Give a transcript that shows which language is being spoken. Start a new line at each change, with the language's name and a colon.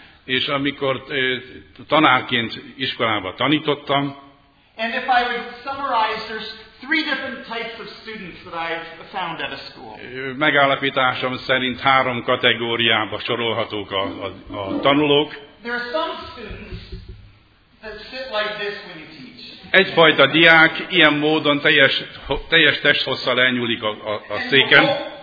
Hungarian: És amikor tanárként iskolába tanítottam.
English: And if I would summarize, there's three different types of students that I've found at a school.
Hungarian: Megállapításom szerint három kategóriába sorolhatók a tanulók.
English: There are some students that sit like this when you teach.
Hungarian: Egyfajta diák ilyen módon teljes testhosszal elnyúlik a széken.